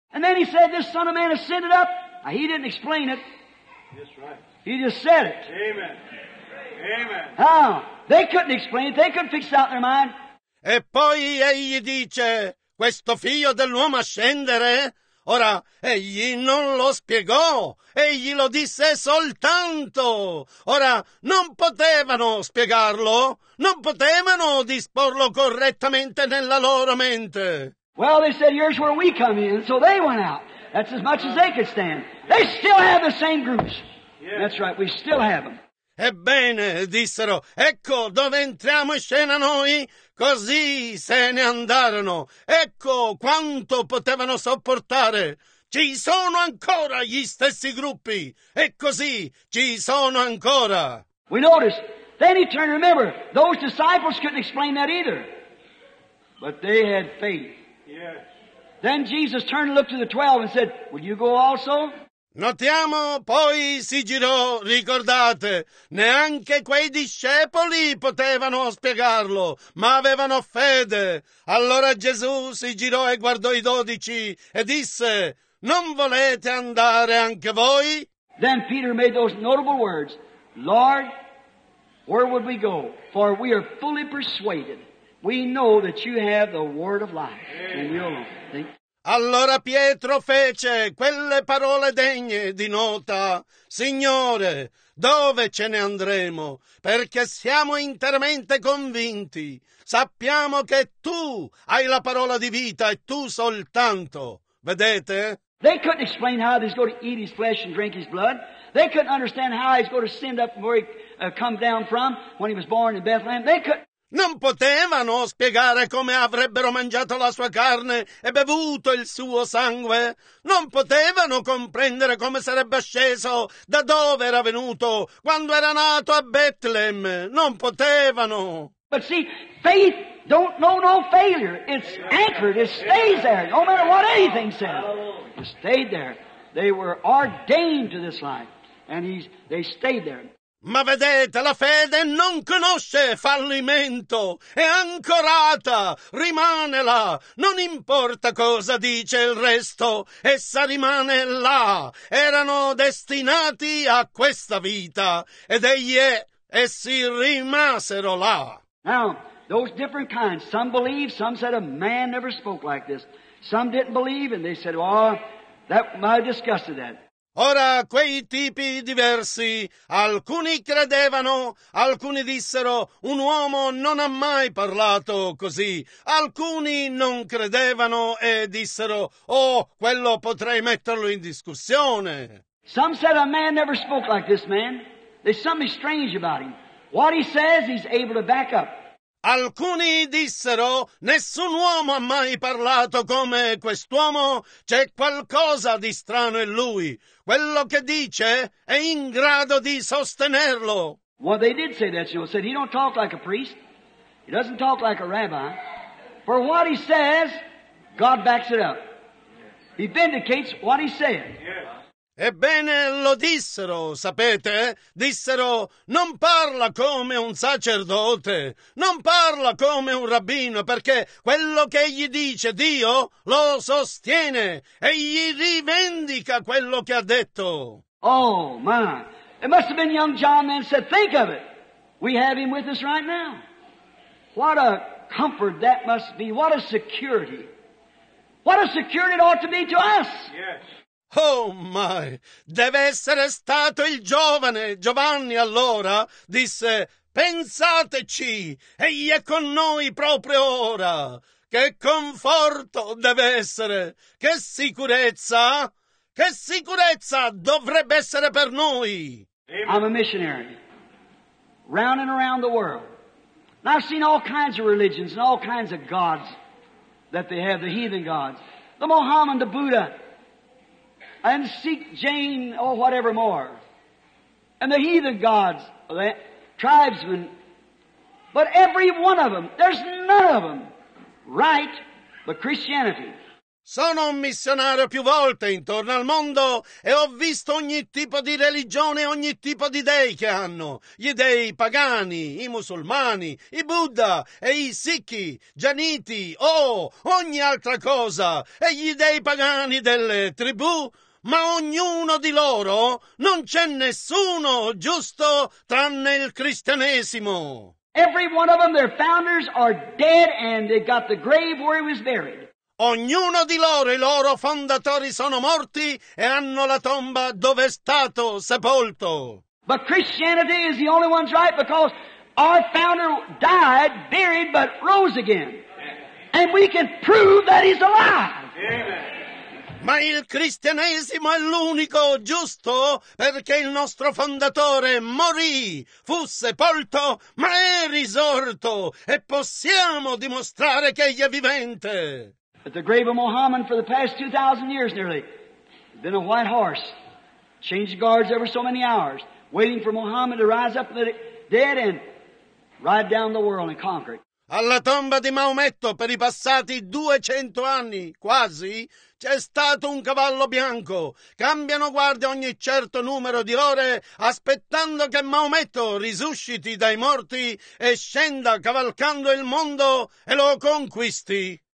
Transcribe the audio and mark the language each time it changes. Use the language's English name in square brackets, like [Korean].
[English] And then he said, this Son of Man ascended up. Now, he didn't explain it. That's right. He just said it. Amen. Amen. Oh, they couldn't explain it. They couldn't fix it out in their mind. [Italian] E poi egli dice, questo figlio dell'uomo ascendere? Ora, egli non lo spiegò, egli lo disse soltanto. Ora, non potevano spiegarlo, non potevano disporlo correttamente nella loro mente. [English] Well, they said, here's where we come in, so they went out. That's as much as they could stand. They still have the same groups. That's right, we still have them. [Italian] Ebbene, dissero, ecco dove entriamo in scena noi. Così se ne andarono. Ecco quanto potevano sopportare. Ci sono ancora gli stessi gruppi. E così ci sono ancora. [English] We noticed. Then he turned, remember, those disciples couldn't explain that either. But they had faith. Yes. Then Jesus turned and looked to the 12 and said, will you go also? [Italian] Notiamo, poi si girò, ricordate, neanche quei discepoli potevano spiegarlo, ma avevano fede. Allora Gesù si girò e guardò i 12 e disse, non volete andare anche voi? [English] Then Peter made those notable words, Lord, where would we go? For we are fully persuaded, we know that you have the word of life. Amen. And we alone. [Italian] Allora Pietro fece quelle parole degne di nota. Signore, dove ce ne andremo? Perché siamo interamente convinti. Sappiamo che tu hai la parola di vita e tu soltanto. Vedete? [English] They couldn't explain how he's going to eat his flesh and drink his blood. They couldn't understand how he's going to send up where he come down from when he was born in Bethlehem. They couldn't. [Italian] Non potevano spiegare come avrebbero mangiato la sua carne e bevuto il suo sangue. Non potevano comprendere come sarebbe sceso, da dove era venuto, quando era nato a Betlehem. Non potevano. [English] But see, faith don't know no failure. It's anchored, it stays there, no matter what anything says. It stayed there. They were ordained to this life. And they stayed there. [Italian] Ma vedete, la fede non conosce fallimento, è ancorata, rimane là, non importa cosa dice il resto, essa rimane là, erano destinati a questa vita, ed egli è, essi rimasero là. [English] Now, those different kinds, some believe, some said a man never spoke like this, some didn't believe, and they said, well, that might discuss that. [Italian] Ora, quei tipi diversi, alcuni credevano, alcuni dissero, un uomo non ha mai parlato così. Alcuni non credevano e dissero, oh, quello potrei metterlo in discussione. [English] Some said a man never spoke like this man. There's something strange about him. What he says, he's able to back up. [Italian] Alcuni dissero, nessun uomo ha mai parlato come quest'uomo, c'è qualcosa di strano in lui. Quello che dice è in grado di sostenerlo. [English] Well, they did say that, you know, said he don't talk like a priest, he doesn't talk like a rabbi. For what he says, God backs it up. He vindicates what he said. [Italian] Ebbene, lo dissero, sapete? Dissero, non parla come un sacerdote, non parla come un rabbino, perché quello che egli dice, Dio lo sostiene, e gli rivendica quello che ha detto. [English] Oh, my. It must have been young John then said, think of it. We have him with us right now. What a comfort that must be. What a security. What a security it ought to be to us. Yes. Oh, my! [Italian] Deve essere stato il giovane, Giovanni, allora, disse, pensateci, egli è con noi proprio ora. Che conforto deve essere! Che sicurezza! Che sicurezza dovrebbe essere per noi! [English] I'm a missionary, round and around the world. And I've seen all kinds of religions and all kinds of gods that they have, the heathen gods, the Mohammedan, the Buddha, and Sikh, Jain, or whatever more. And the heathen gods, the tribesmen. But every one of them, there's none of them, right but Christianity. [Italian] Sono un missionario più volte intorno al mondo e ho visto ogni tipo di religione, ogni tipo di dei che hanno. Gli dei pagani, i musulmani, i Buddha e i Sikhi, Jainiti, ogni altra cosa. E gli dei pagani delle tribù. Ma ognuno di loro non c'è nessuno giusto tranne il cristianesimo. [English] Every one of them, their founders are dead and they got the grave where he was buried. [Italian] Ognuno di loro, i loro fondatori sono morti e hanno la tomba dove è stato sepolto. [English] But Christianity is the only one's right because our founder died, buried, but rose again. And we can prove that he's alive. Amen. [Italian] Ma il cristianesimo è l'unico giusto perché il nostro fondatore morì, fu sepolto, ma è risorto e possiamo dimostrare che egli è vivente. [English] At the grave of Mohammed for the past 2,000 years nearly, been a white horse, changed guards every so many hours, waiting for Mohammed to rise up from the dead and ride down the world and conquer it. [Italian] Alla tomba di Maometto per i passati 200 anni, quasi, c'è stato un cavallo bianco. Cambiano guardia ogni certo numero di ore, aspettando che Maometto risusciti dai morti e scenda cavalcando il mondo e lo conquisti.